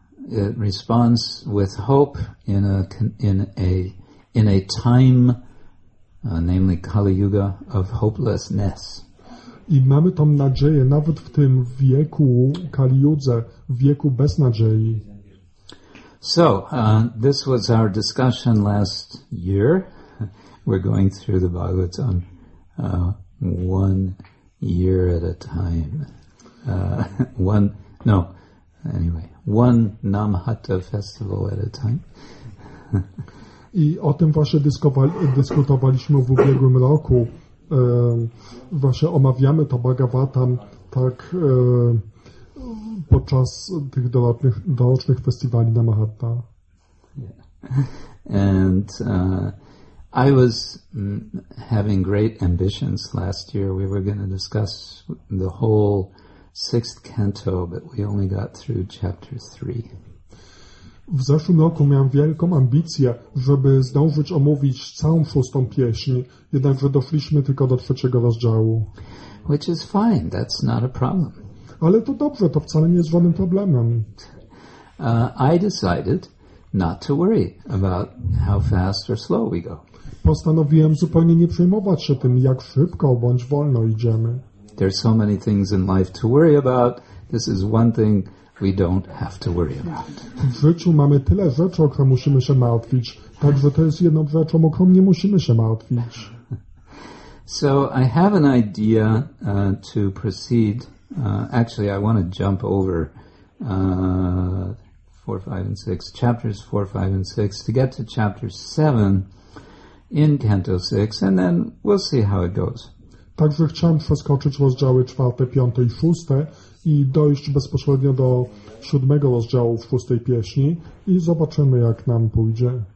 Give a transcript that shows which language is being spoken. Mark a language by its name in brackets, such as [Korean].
[English] It responds with hope in a time, namely Kali Yuga, of hopelessness. [Polish] I mamy tą nadzieję nawet w tym wieku Kali Yudze, wieku bez nadziei. [English] So, this was our discussion last year. We're going through the Bhagavatam one year at a time. One Namhatta festival at a time. [Polish] I o tym właśnie dyskutowaliśmy w ubiegłym roku. Właśnie omawiamy to Bhagavatam tak podczas tych dorocznych festiwali na Mahatta. [English] Yeah. And I was having great ambitions last year. We were going to discuss the whole sixth canto, but we only got through chapter 3. [Polish] W zeszłym roku miałem wielką ambicję, żeby zdążyć omówić całą szóstą pieśń, jednakże doszliśmy tylko do trzeciego rozdziału. [English] Which is fine, that's not a problem. [Polish] Ale to dobrze, to wcale nie jest żadnym problemem. [English] I decided not to worry about how fast or slow we go. [Polish] Postanowiłem zupełnie nie przejmować się tym, jak szybko bądź wolno idziemy. [English] There are so many things in life to worry about. This is one thing we don't have to worry about. [Polish] W życiu mamy tyle rzeczy, o które musimy się martwić, także to jest jedną rzeczą, o którą nie musimy się martwić. [English] So I have an idea to proceed. Actually, I want to jump over 4, 5, and 6 to get to chapter 7 in Canto 6, and then we'll see how it goes. [Polish] Także chciałem przeskoczyć rozdziały 4, 5 i 6 i dojść bezpośrednio do 7 rozdziału w 6 pieśni i zobaczymy, jak nam pójdzie.